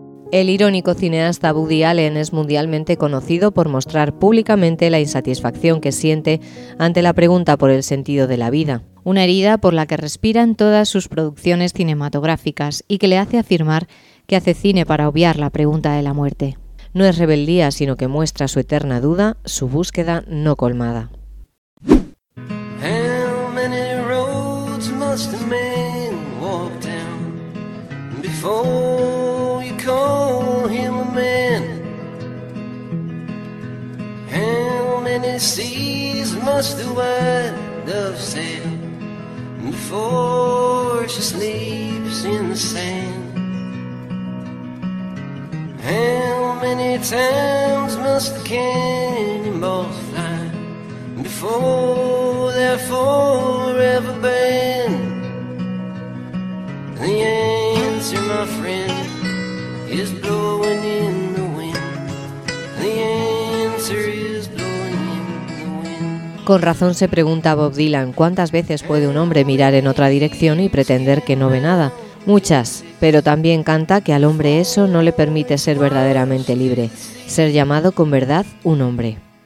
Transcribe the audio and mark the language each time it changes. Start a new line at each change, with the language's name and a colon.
Spanish: El irónico cineasta Woody Allen es mundialmente conocido por mostrar públicamente la insatisfacción que siente ante la pregunta por el sentido de la vida, una herida por la que respira en todas sus producciones cinematográficas y que le hace afirmar que hace cine para obviar la pregunta de la muerte. No es rebeldía, sino que muestra su eterna duda, su búsqueda no colmada.
English: How many roads must a man walk down before? Call him a man. How many seas must the white dove sail before she sleeps in the sand? How many times must the cannonballs fly before they're forever banned? The answer, my friend, is blowing in the wind. The answer is blowing in the wind.
Spanish: Con razón se pregunta Bob Dylan, ¿cuántas veces puede un hombre mirar en otra dirección y pretender que no ve nada? Muchas, pero también canta que al hombre eso no le permite ser verdaderamente libre, ser llamado con verdad un hombre.